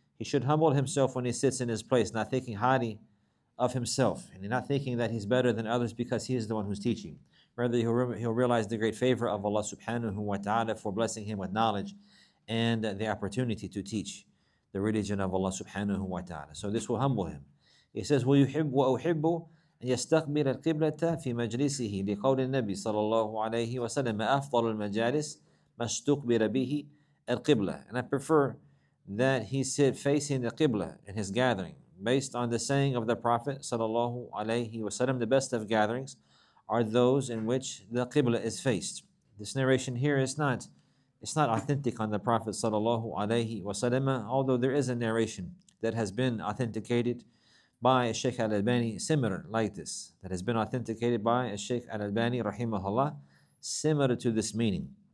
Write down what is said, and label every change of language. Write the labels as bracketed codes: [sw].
[en] He should humble himself when he sits in his place, not thinking highly of himself, and not thinking that he's better than others because he is the one who's teaching. Rather, he'll realize the great favor of Allah subhanahu wa ta'ala for blessing him with knowledge and the opportunity to teach the religion of Allah subhanahu wa ta'ala. So this will humble him. [ar] He says, وَيُحِبُّ وَأُحِبُّ أَنْ يَسْتَقْبِلَ الْقِبْلَةَ فِي مَجْلِسِهِ لِقَوْلِ النَّبِيِّ صَلَى اللَّهُ عَلَيْهِ وَسَلَّمَ أَفْضَلُ الْمَجَالِسِ مَسْتُقْبِلَ بِهِ الْقِبْلَةِ [en] And I prefer that he sit facing the qibla in his gathering. Based on the saying of the Prophet sallallahu alayhi wa sallam, the best of gatherings are those in which the qibla is faced. This narration here is not authentic on the Prophet sallallahu alayhi wa sallam, although there is a narration that has been authenticated by Sheikh al-Albani similar like this, that has been authenticated by Sheikh al-Albani rahimahullah similar to this meaning.